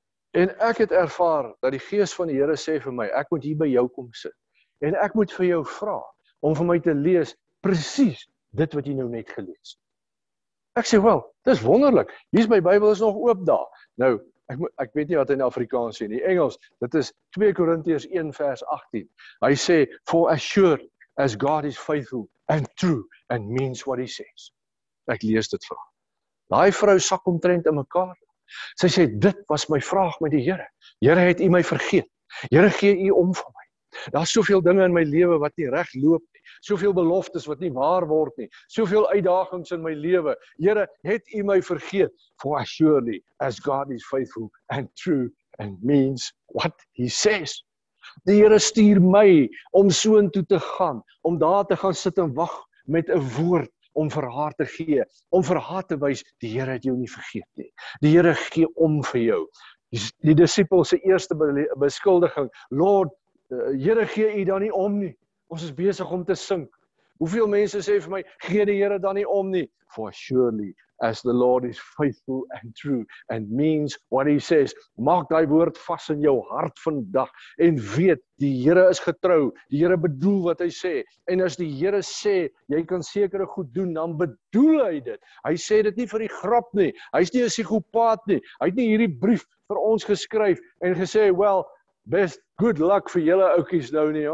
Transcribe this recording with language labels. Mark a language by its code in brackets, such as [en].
[af] En ek het ervaar dat die gees van die Here sê vir my, ek moet hier by jou kom sit. En ek moet vir jou vra om vir my te lees presies dit wat jy nou net gelees. Ek sê, wel, dis wonderlik. Hier is my Bybel is nog oop daar. Nou, Ek weet nie wat hy in Afrikaans sê nie. Engels, dit is 2 Korintiërs 1 vers 18. Hy sê, [en] for as sure as God is faithful and true and means what he says. [af] Ek lees dit vir hom. Daai vrou sak omtrent in mekaar. Sy sê, dit was my vraag met die Here. Here, het u my vergeet? Here, gee u om vir my? Daar's soveel dinge in my lewe wat nie reg loop nie. Soveel beloftes wat nie waar word nie. Soveel uitdagings in my lewe. Here, het u my vergeet? [en] For surely as God is faithful and true and means what he says. [af] Die Here stuur my om soontoe te gaan, om daar te gaan sit en wag met 'n woord om vir haar te gee, om vir haar te wys die Here het jou nie vergeet nie. Die Here gee om vir jou. Die disipels se eerste beskuldiging, Lord, Here gee u dan nie om nie. Ons is besig om te sink. Hoeveel mense sê vir my, gee die Here dan nie om nie? [en] For surely as the Lord is faithful and true and means what he says. [af] Maak daai woord vas in jou hart vandag en weet die Here is getrou. Die Here bedoel wat hy sê. En as die Here sê jy kan sekere goed doen, dan bedoel hy dit. Hy sê dit nie vir die grap nie. Hy's nie 'n psigopaat nie. Hy het nie hierdie brief vir ons geskryf en gesê, [en] "Well, best good luck [af] vir julle oudkies nou nie.